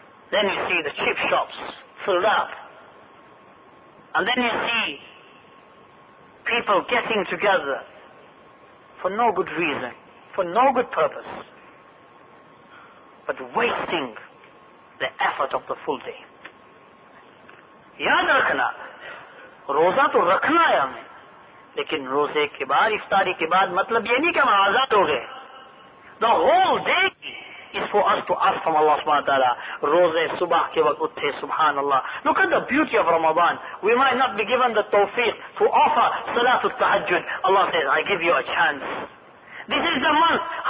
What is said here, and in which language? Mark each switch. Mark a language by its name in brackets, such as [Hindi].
[English] Then you see the chip shops filled up. And then you see people getting together for no good reason, for no good purpose, but wasting the effort of the full day. [Urdu] یاد رکھنا، روزہ تو رکھنا ہے ہمیں۔ لیکن روزے کے بعد، افطاری کے بعد، مطلب یہ نہیں کہ ہم آزاد ہو گئے۔ [English] The whole day is for us to ask from Allah subhanahu wa ta'ala. [Urdu] روزے صبح کے وقت اٹھے، سبحان اللہ۔ [English] Look at the beauty of Ramadan. We might not be given the tawfiq to offer salatul tahajjud. Allah says, I give you a chance. This is the month.